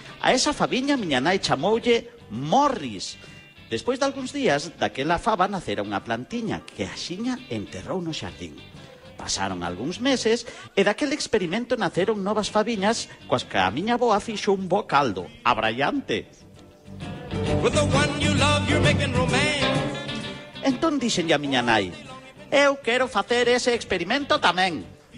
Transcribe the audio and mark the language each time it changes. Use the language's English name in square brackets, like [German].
[Galician] A esa fabiña, miña nai chamoulle Morris. Despois de algúns días, daquela faba nacera unha plantiña que axiña enterrou no xardín. Pasaron algúns meses e daquel experimento naceron novas fabiñas coas que a miña avoa fixo un bo caldo, abraiante. [English] With the one you love, you're making romance. [Galician] Entón díxenlle a miña nai, eu quero facer ese experimento tamén.